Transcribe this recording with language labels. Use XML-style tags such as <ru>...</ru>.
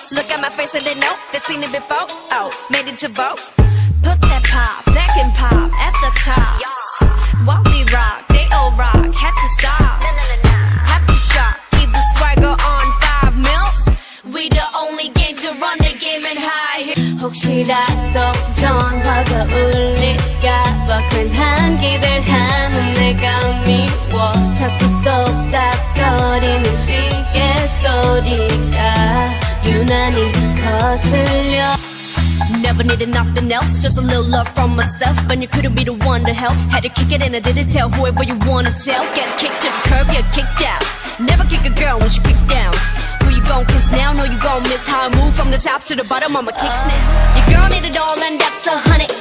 <en>Look at my face and they know they've seen it before. Oh, made it to vote. Put that pop back and pop at the top. While we rock, they all rock. Had to stop. Have to shop. Keep the swagger on 5 mil. We the only game to run the game and high.</en> <ko>혹시 나 또 전화가 울릴까봐 괜한 기대하는 내가 미워 자꾸 똑딱거리는 시계 소리가 유난히 거슬려</ko> <en>Never needed nothing else, just a little love from myself. And you couldn't be the one to help. Had to kick it and I didn't tell whoever you wanna tell. Get a kick to the curb, get kicked out. Never kick a girl when she kicked down. Who you gon' kiss now? Know you gon' miss how I move from the top to the bottom. I'ma kick now. Your girl need it all and that's a 100.</en>